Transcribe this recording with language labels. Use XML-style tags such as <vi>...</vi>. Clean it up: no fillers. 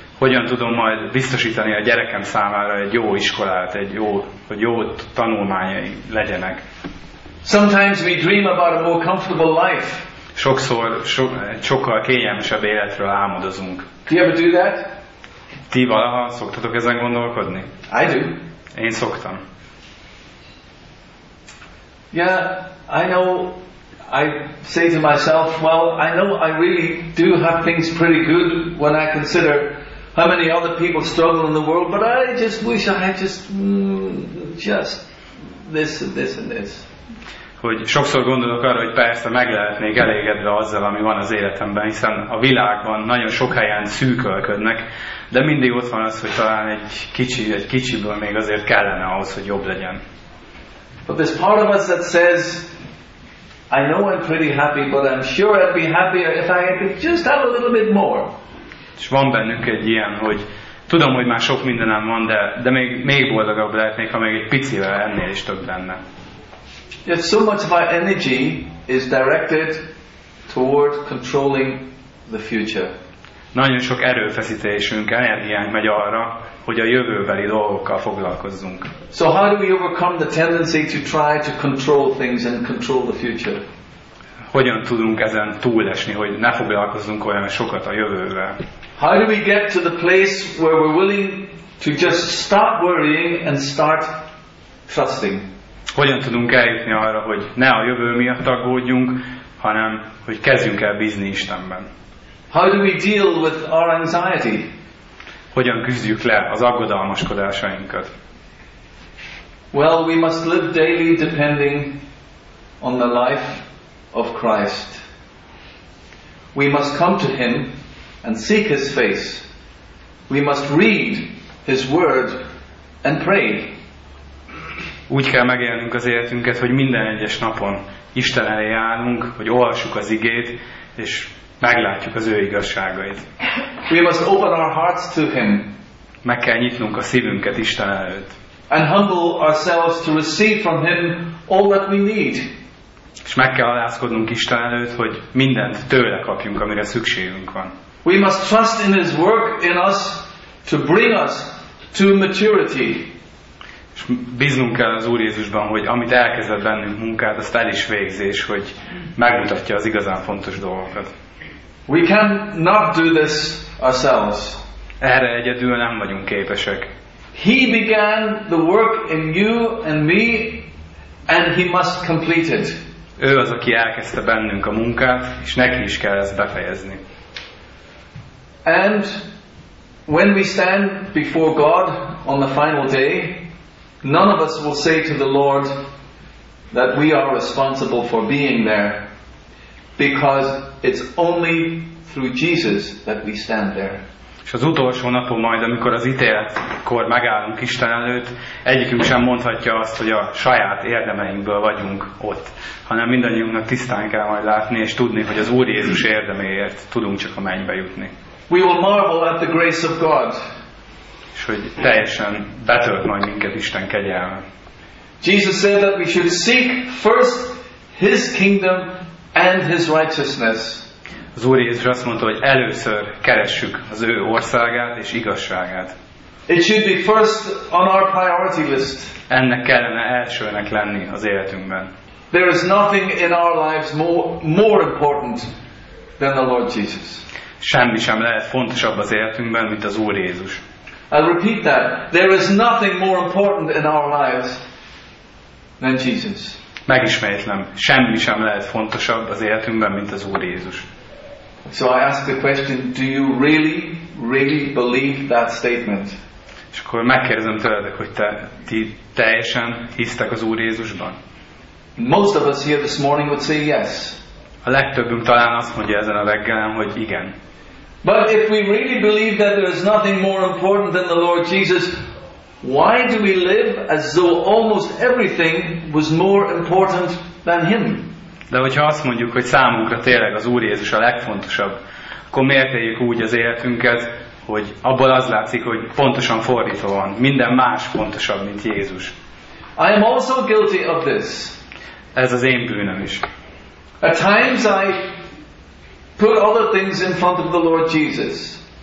<hu>Hogyan tudom majd biztosítani a gyerekem számára egy jó iskolát, egy jó, hogy jó tanulmányai legyenek?</hu> <en>Sometimes we dream about a more comfortable life.</en> <hu>Sokszor sokkal kényelmesebb életről álmodozunk.</hu> <en>Do you ever do that?</en> <hu>Ti valaha szoktatok ezen gondolkodni?</hu> <en>I do.</en> <hu>Én szoktam.</hu> <en>Yeah, I know. I say to myself, well, I know I really do have things pretty good when I consider how many other people struggle in the world, but I just wish I had just this and this and this.</en> <hu>Hogy sokszor gondolok arra, hogy persze meg lehetnék elégedve azzal, ami van az életemben, hiszen a világban nagyon sok helyen szűkölködnek, de mindig ott van az, hogy talán egy kicsiből még azért kellene ahhoz, hogy jobb legyen.</hu> <en>But there's part of us that says, I know I'm pretty happy, but I'm sure I'd be happier if I could just have a little bit more.</en> <hu>És van bennünk egy ilyen, hogy tudom, hogy már sok mindenem van, de még boldogabb lehetnék, ha még egy picivel ennél is több lenne.</hu> <en>Yet so much of our energy is directed toward controlling the future.</en> <hu>Nagyon sok erőfeszítésünk, energiánk megy arra, hogy a jövőbeli dolgokkal foglalkozzunk.</hu> <en>So how do we overcome the tendency to try to control things and control the future?</en> <hu>Hogyan tudunk ezen túlesni, hogy ne foglalkozzunk olyan sokat a jövővel?</hu> <en>How do we get to the place where we're willing to just stop worrying and start trusting?</en> <hu>Hogyan tudunk eljutni arra, hogy ne a jövő miatt aggódjunk, hanem hogy kezdjünk el bízni Istenben?</hu> <en>How do we deal with our anxiety?</en> <hu>Hogyan küzdjük le az aggodalmaskodásainkat?</hu> <en>Well, we must live daily depending on the life of Christ. We must come to him and seek his face. We must read his word and pray.</en> <hu>Úgy kell megélnünk az életünket, hogy minden egyes napon Isten elé állunk, hogy olvassuk az igét, és meglátjuk az ő igazságait.</hu> <en>We must open our hearts to him.</en> <hu>Meg kell nyitnunk a szívünket Isten előtt.</hu> <en>And humble ourselves to receive from him all that we need.</en> <hu>És meg kell alázkodnunk Isten előtt, hogy mindent tőle kapjunk, amire szükségünk van.</hu> <en>We must trust in his work in us to bring us to maturity.</en> <hu>És bíznunk kell az Úr Jézusban, hogy amit elkezdett bennünk munkát, azt el is végzés, hogy megmutatja az igazán fontos dolgokat.</hu> <en>We cannot do this ourselves.</en> <hu>Erre egyedül nem vagyunk képesek.</hu> <en>He began the work in you and me, and he must complete it.</en> <hu>Ő az, aki elkezdte bennünk a munkát, és neki is kell ezt befejezni.</hu> <en>And when we stand before God on the final day, none of us will say to the Lord that we are responsible for being there, because it's only through Jesus that we stand there.</en> <hu>És az utolsó napon majd, amikor az ítéletkor megállunk Isten előtt, egyikünk sem mondhatja azt, hogy a saját érdemeinkből vagyunk ott, hanem mindannyiunknak tisztán kell majd látni és tudni, hogy az Úr Jézus érdeméért tudunk csak a mennybe jutni.</hu> <en>We will marvel at the grace of God.</en> <hu>És hogy teljesen betölt majd minket Isten kegyelme.</hu> <en>Jesus said that we should seek first his kingdom and his righteousness.</en> <hu>Az Úr Jézus azt mondta, hogy először keressük az ő országát és igazságát.</hu> <en>It should be first on our priority list.</en> <hu>Ennek kellene elsőnek lenni az életünkben.</hu> <en>There is nothing in our lives more important than the Lord Jesus.</en> <hu>Semmi sem lehet fontosabb az életünkben, mint az Úr Jézus.</hu> <en>I'll repeat that. There is nothing more important in our lives than Jesus.</en> <hu>Megismétlem, semmi sem lehet fontosabb az életünkben, mint az Úr Jézus.</hu> <en>So I ask the question, do you really, really believe that statement?</en> <hu>És akkor megkérdezem tőledek, hogy ti teljesen hisztek az Úr Jézusban?</hu> <en>Most of us here this morning would say yes.</en> <hu>A legtöbbünk talán azt mondja ezen a reggelen, hogy igen.</hu> <en>But if we really believe that there is nothing more important than the Lord Jesus, why do we live as though almost everything was more important than him?</en> <hu>De hogyha azt mondjuk, hogy számunkra tényleg az Úr Jézus a legfontosabb, akkor miért éljük úgy az életünket, hogy abból az látszik, hogy pontosan fordítva van, minden más fontosabb, mint Jézus.</hu> <en>I am also guilty of this.</en> <hu>Ez az én bűnöm is.</hu> <en>At times I put other things in front of the Lord Jesus.</en>